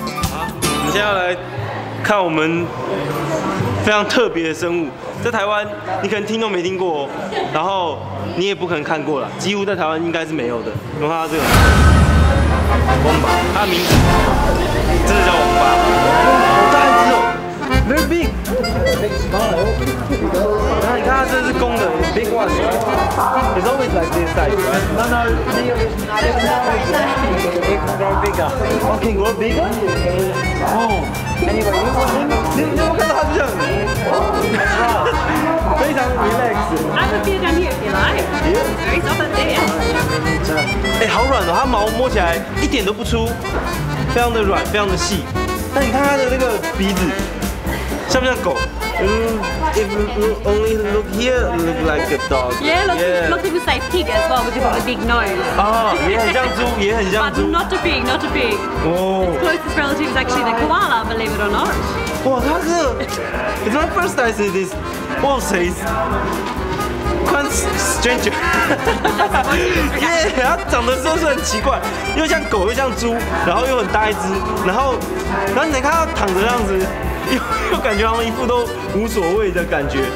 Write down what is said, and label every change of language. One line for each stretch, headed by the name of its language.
Chinese: 好，我们现在来看我们非常特别的生物，在台湾你可能听都没听过，然后你也不可能看过了，几乎在台湾应该是没有的。你们看到这个王八，它的名字真的叫王八，好大一只哦。
English: Very big, big smile.
Chinese: 你看它这是公的
English: ，big one. It's always like this size. No, no, it's not. It's grow bigger. Okay, grow bigger. Oh, anyway, look at him.
Chinese: 你有没有看到它这样？非常
English: relax. I feel like I'm here. Very soft and thin.
Chinese: 真的，哎，好软哦，它毛摸起来一点都不粗，非常的软，非常的细。但你看它的那个鼻子。像不像狗？
English: If you only look here, look like a dog. Yeah, look, yeah. Look even like pig as well, because of the big nose.
Chinese: Oh, 也很像猪，也很像猪。
English: But not a pig, not a pig. Oh. Its closest relative is actually the koala, believe it or not.
Chinese: 哇，它是
English: ，It's my first time seeing this. What says? Quite stranger.
Chinese: Yeah, 它长得真是很奇怪，又像狗又像猪，然后又很大一只，然后你看它躺着这样子。又感觉他们一副都无所谓的感觉。